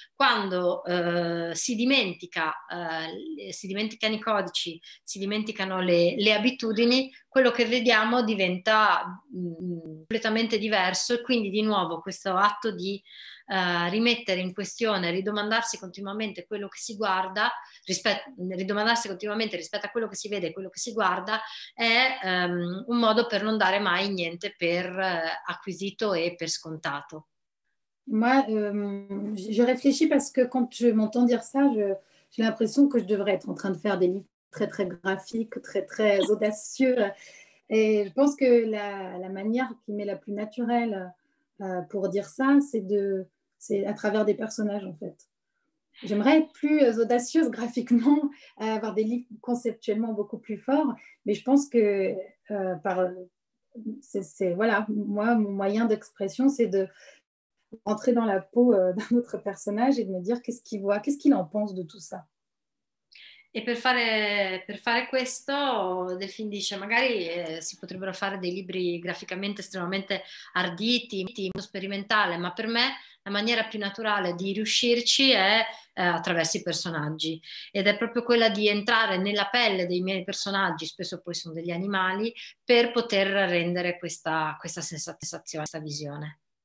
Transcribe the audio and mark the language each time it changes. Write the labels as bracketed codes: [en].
[it] Quando si dimenticano i codici, si dimenticano le abitudini, quello che vediamo diventa completamente diverso. E quindi, di nuovo, questo atto di rimettere in questione, ridomandarsi continuamente quello che si guarda, ridomandarsi continuamente rispetto a quello che si vede e quello che si guarda, è un modo per non dare mai niente per acquisito e per scontato. [fr] Moi, je réfléchis parce que quand je m'entends dire ça, j'ai l'impression que je devrais être en train de faire des livres très, très graphiques, très, très audacieux. Et je pense que la manière qui m'est la plus naturelle pour dire ça, c'est à travers des personnages, en fait. J'aimerais être plus audacieuse graphiquement, avoir des livres conceptuellement beaucoup plus forts, mais je pense que voilà, moi, mon moyen d'expression, c'est de rentrer dans la peau d'un autre personnage et de me dire qu'est-ce qu'il voit, qu'est-ce qu'il en pense de tout ça. [it] E per fare questo, Delphine dice, magari si potrebbero fare dei libri graficamente estremamente arditi, sperimentale, ma per me la maniera più naturale di riuscirci è attraverso i personaggi. Ed è proprio quella di entrare nella pelle dei miei personaggi, spesso poi sono degli animali, per poter rendere questa sensazione, questa visione.